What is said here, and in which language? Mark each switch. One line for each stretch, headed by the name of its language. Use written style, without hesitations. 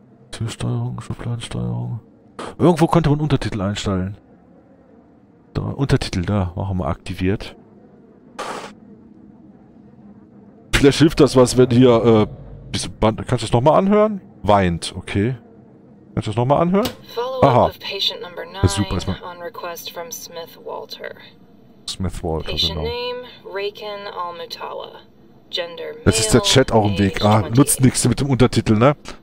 German: Türsteuerung, Schubladensteuerung. Irgendwo konnte man Untertitel einstellen. Da, Untertitel, da. Machen wir aktiviert. Vielleicht hilft das was, wenn hier, diese Band... Kannst du das nochmal anhören? Weint, okay. Kannst du das nochmal anhören? Aha. Das ist super, erstmal.
English: On request from Smith Walter. Smith Walter, patient
German: genau.
English: Name, Raken Almutala. Gender,
German: das ist der Chat auch im Weg. Ah, nutzt nichts mit dem Untertitel, ne?